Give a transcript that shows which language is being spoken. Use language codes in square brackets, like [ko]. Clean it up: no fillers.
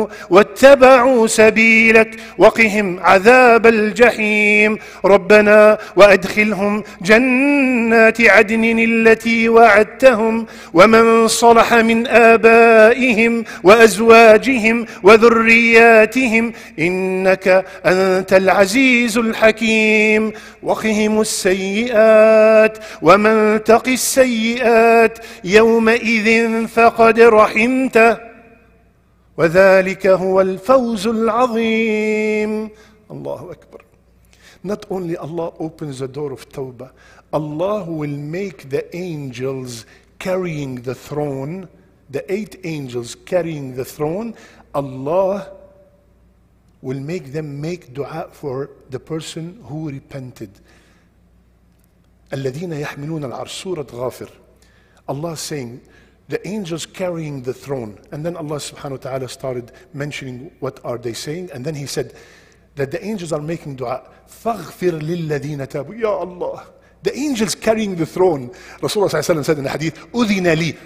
[ar] واتبعوا سبيلك وقهم عذاب الجحيم ربنا وأدخلهم جنات عدن التي وعدتهم ومن صلح من آبائهم وأزواجهم وذرياتهم إنك أنت العزيز الحكيم وقهم السيئات ومن تق السيئات يومئذ فقد رحمته وذلك هو الفوز العظيم. الله أكبر. [en] Not only Allah opens the door of Tawbah, Allah will make the angels carrying the throne, the eight angels carrying the throne, Allah will make them make dua for the person who repented. [ar] الذين يحملون العرش سورة غافر. [en] Allah is saying, the angels carrying the throne. And then Allah subhanahu wa ta'ala started mentioning what are they saying. And then He said that the angels are making dua. [ar] فَغْفِرْ لِلَّذِينَ تَابُوا. [en] Ya Allah, the angels carrying the throne. Rasulullah sallallahu alayhi wa sallam said in the hadith, [ar] أُذِنَ لِي.